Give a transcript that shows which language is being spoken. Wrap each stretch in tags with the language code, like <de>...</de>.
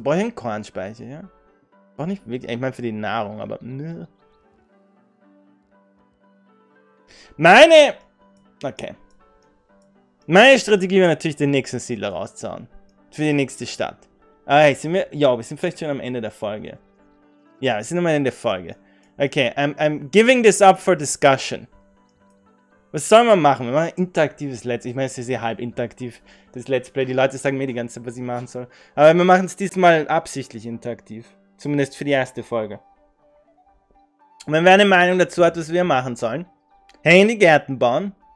<de>Brauche ich einen Kornspeicher, ja? Brauche ich nicht wirklich, ich meine für die Nahrung, aber nö. Meine! Okay. Meine Strategie wäre natürlich, den nächsten Siedler rauszuhauen. Für die nächste Stadt. Ah, hey, sind wir. Ja, wir sind vielleicht schon am Ende der Folge. Ja, wir sind am Ende der Folge.</de> <en>Okay, I'm giving this up for discussion.</en> <de>Was soll man machen? Wir machen ein interaktives Let's Play. Ich meine, es ist ja halb interaktiv, das Let's Play. Die Leute sagen mir die ganze Zeit, was ich machen soll. Aber wir machen es diesmal absichtlich interaktiv. Zumindest für die erste Folge. Und wenn wer eine Meinung dazu hat, was wir machen sollen, hängende Gärten bauen.</de>